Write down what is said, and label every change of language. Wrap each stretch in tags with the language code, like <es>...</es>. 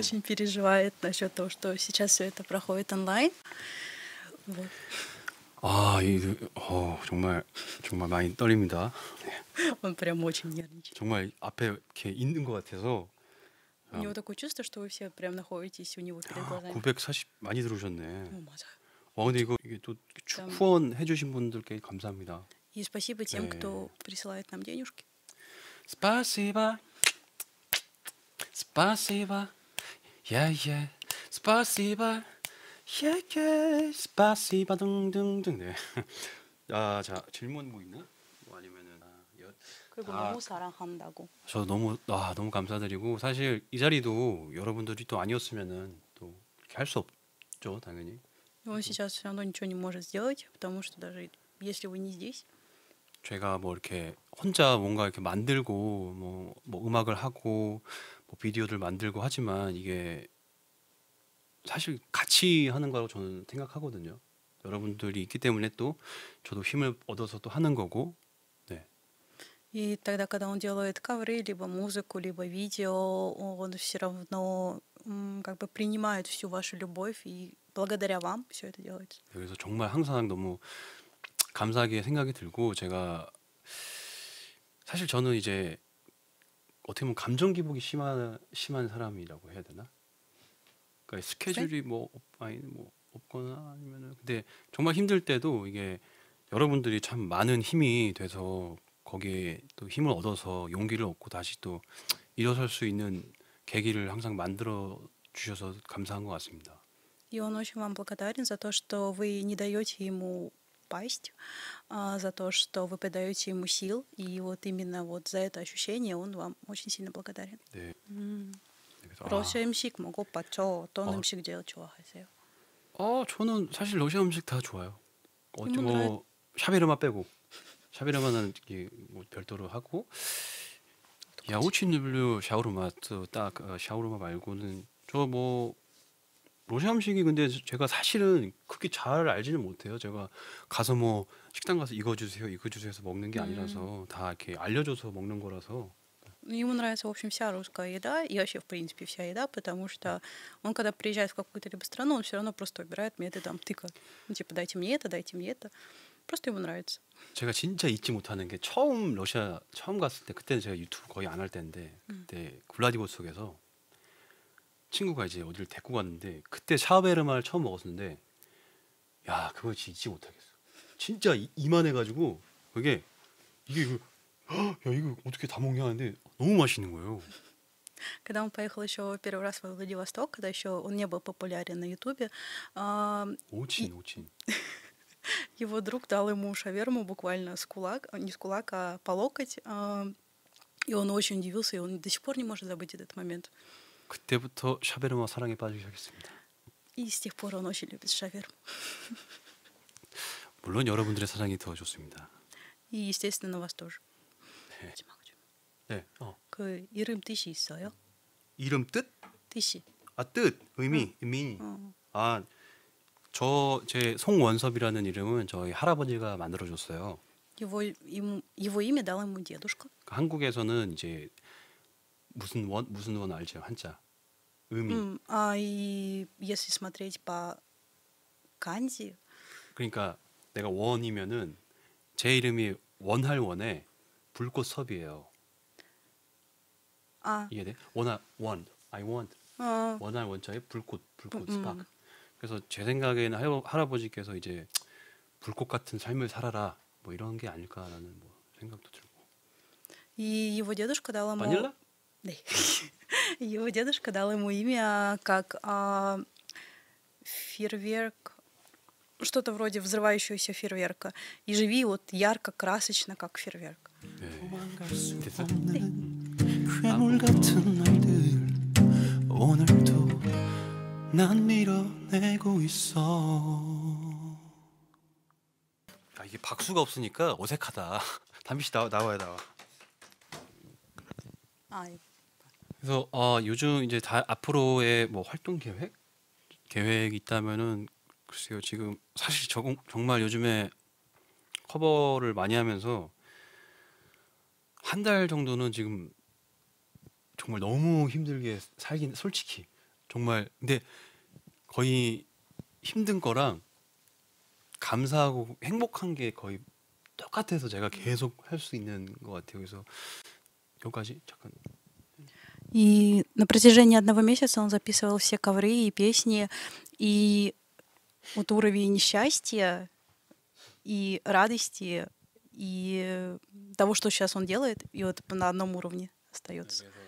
<ru>переживает насчет того, что сейчас все это проходит онлайн. Вот.</ru> <ko>А, и, о, 정말 정말 많이 떨립니다.</ko> <ru>Он прям очень нервничает.</ru> <ko>정말 앞에 이렇게 있는 것 같아서</ko> <ru>У него такое чувство, что вы все прям находитесь у него перед глазами.</ru> <ko>940 많이 들어오셨네. 오, 맞아요. 근데 이게 또 후원해 주신 분들께 감사합니다.</ko> <ru>이 спасибо тем,</ru> <ko>네.</ko> <ru>кто присылает нам денежки. Спасибо. Спасибо. Yeah. Спасибо. Yeah. Спасибо.</ru> <ko>둥둥둥. 네. 아, 자, 질문 뭐 있나? 뭐 아니면은 그리고 너무 사랑한다고. 저 너무 아, 너무 감사드리고 사실 이 자리도 여러분들이 또 아니었으면은 또 이렇게 할수 없죠, 당연히.</ko> <ru>Он сейчас все равно ничего не может сделать, потому что даже если вы не здесь.</ru> <ko>제가 뭐 이렇게 혼자 뭔가 이렇게 만들고 뭐 음악을 하고 뭐 비디오를 만들고 하지만 이게 사실 같이 하는 거라고 저는 생각하거든요. 여러분들이 있기 때문에 또 저도 힘을 얻어서 또 하는 거고.</ko> <ru>И тогда, когда он делает каверы, либо музыку, либо видео, он все равно как бы принимает всю вашу любовь, и благодаря вам все это делается.</ru> <ko>그래서 정말 항상 너무 감사하게 생각이 들고 제가 사실 저는 이제 어떻게 보면 감정 기복이 심한 사람이라고 해야 되나? 그러니까 스케줄이 뭐 아니 뭐 없거나 아니면은 근데 정말 힘들 때도 이게 여러분들이 참 많은 힘이 돼서 거기에 또 힘을 얻어서 용기를 얻고 다시 또 일어설 수 있는 계기를 항상 만들어 주셔서 감사한 것 같습니다.</ko> <ru>И он очень вам благодарен за то, что вы не даете ему пасть, а за то, что вы придаете ему сил. И вот именно вот за это ощущение он вам очень сильно благодарен.</ru> <ko>네. 러시아 음식 먹어봐. 저 어떤 음식 제일 좋아하세요? 저는 사실 러시아 음식 다 좋아요. 어찌 이모 드라이. 뭐 샤베르마 빼고 샤베르마는 이게 뭐 별도로 하고 어떡하지? 야우치누블루 샤오르마 또딱 샤오르마 말고는 저뭐 러시아 음식이 근데 제가 사실은 그렇게 잘 알지는 못해요. 제가 가서 뭐 식당 가서 이거 주세요, 이거 주세요 해서 먹는 게 아니라서 다 이렇게 알려줘서 먹는 거라서.</ko> <ru>Ему нравится, в общем, вся русская еда и вообще, в принципе, вся еда, потому что он, когда приезжает в какую-то либо страну, он все равно просто выбирает методы там тыка. Ну, типа, дайте мне это, дайте мне это. Просто ему нравится.</ru> <ko>제가 진짜 잊지 못하는 게 처음 러시아 처음 갔을 때 그때는 제가 유튜브 거의 안 할 때인데 그때 블라디보스톡에서 친구가 이제 어디를 데리고 갔는데 그때 샤베르마를 처음 먹었는데 야 그걸 잊지 못하겠어. 진짜 이만해가지고 그게 이게 야 이거 어떻게 다 먹냐 하는데 너무 맛있는 거예요.</ko> <ru>Когда он поехал еще первый раз во Владивосток, когда еще он не был популярен на Ютубе, очень. Его друг дал ему шаверму буквально с кулак, не с кулака, а по локоть, и он очень удивился, и он до сих пор не может забыть этот момент.</ru> <ko>그때부터 샤베르마 사랑에 빠지기 시작했습니다.</ko> <ru>И с тех пор он очень любит шаверму.</ru> <ko>물론 여러분들의 사랑이 더 좋습니다.</ko> <ru>И естественно вас тоже.</ru> <ko>네. 그 이름 뜻이 있어요? 이름 뜻? 뜻이. 아, 뜻. 의미. 의미. 아, 저 제 송원섭이라는 이름은 저희 할아버지가 만들어 줬어요. Его имя дал ему дедушка. 한국에서는 이제 무슨 원 무슨 원 알죠? 한자. 의미.</ko> <ru>А и если смотреть по канзи.</ru> <ko>그러니까 내가 원이면은 제 이름이 원할 원에 불꽃섭이에요. 아. 이게 돼? 원아 원.</ko> <en>I want.</en> <ko>원할 원자에 불꽃 불꽃 스파크. 그래서 제 생각에는 할아버지께서 이제 불꽃 같은 삶을 살아라. 뭐 이런 게 아닐까라는 뭐 생각도 들고.</ko> <ru>이 его дедушка дал ему.</ru> <ko>바닐라? 네.</ko> <ru>Его дедушка дал ему имя как фейерверк. Что-то вроде взрывающегося фейерверка. И живи вот ярко, красочно, как фейерверк.</ru> <ko>네. 네. 네. 괴물 같은 날들 오늘도 난 밀어내고 있어. 야 이게 박수가 없으니까 어색하다. 담비씨 나와야 나와. 아이. 그래서 요즘 이제 다 앞으로의 뭐 활동 계획 있다면은 글쎄요 지금 사실 정말 요즘에 커버를 많이 하면서 한 달 정도는 지금 정말 너무 힘들게 살긴 솔직히 정말 근데 거의 힘든 거랑 감사하고 행복한 게 거의 똑같아서 제가 계속 할 수 있는 것 같아요. 그래서 여기까지 잠깐.</ko> <ru>И на протяжении одного месяца он записывал все ковры и песни, и вот уровень счастья и радости и того, что сейчас он делает, и вот на одном уровне остается.</ru>